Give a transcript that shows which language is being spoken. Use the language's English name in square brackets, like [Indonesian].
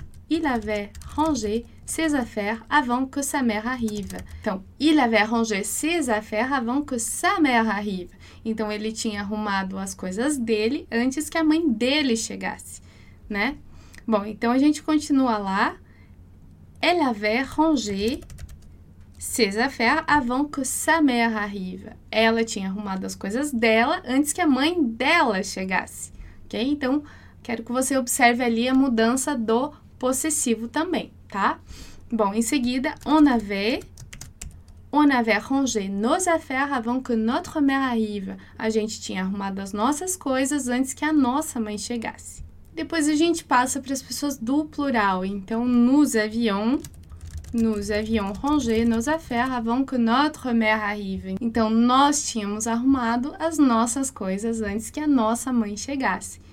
[French] Il avait rangé ses affaires avant que sa mère arrive. Então, il avait rangé ses affaires avant que sa mère arrive. [Portuguese] Então, ele tinha arrumado as coisas dele antes que a mãe dele chegasse, né? Bom, então a gente continua lá. [French] Elle avait rangé ses affaires avant que sa mère arrive. [Portuguese] Ela tinha arrumado as coisas dela antes que a mãe dela chegasse, ok? Então, quero que você observe ali a mudança do possessivo também, tá? Bom, em seguida, [French] on avait rangé nos affaires avant que notre mère arrive. [Portuguese] A gente tinha arrumado as nossas coisas antes que a nossa mãe chegasse. Depois a gente passa para as pessoas do plural. [French] Então, nous avions rangé nos affaires avant que notre mère arrive. [Portuguese] Então, nós tínhamos arrumado as nossas coisas antes que a nossa mãe chegasse.